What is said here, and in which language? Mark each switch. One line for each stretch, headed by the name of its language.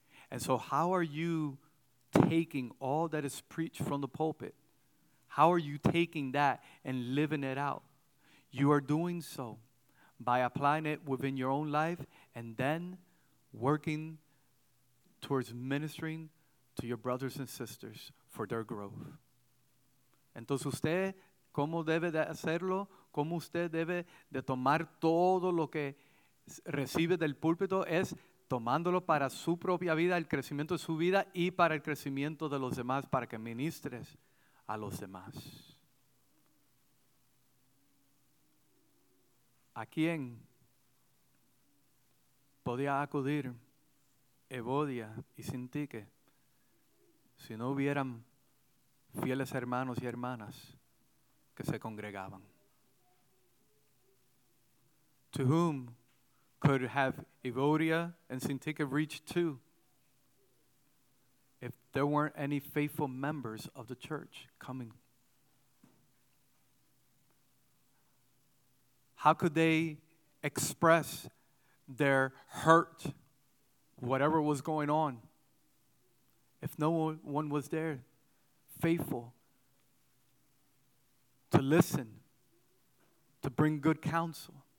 English: And so how are you taking all that is preached from the pulpit? How are you taking that and living it out? You are doing so by applying it within your own life and then working towards ministering to your brothers and sisters for their growth.
Spanish: Entonces usted, ¿cómo debe de hacerlo? ¿Cómo usted debe de tomar todo lo que recibe del púlpito? Es tomándolo para su propia vida, el crecimiento de su vida y para el crecimiento de los demás, para que ministres a los demás. ¿A quién podía acudir Evodia y Sintique si no hubieran fieles hermanos y hermanas que se congregaban?
English: To whom could have Evodia and Sintique reached to if there weren't any faithful members of the church coming? How could they express their hurt, whatever was going on, if no one was there faithful to listen, to bring good counsel?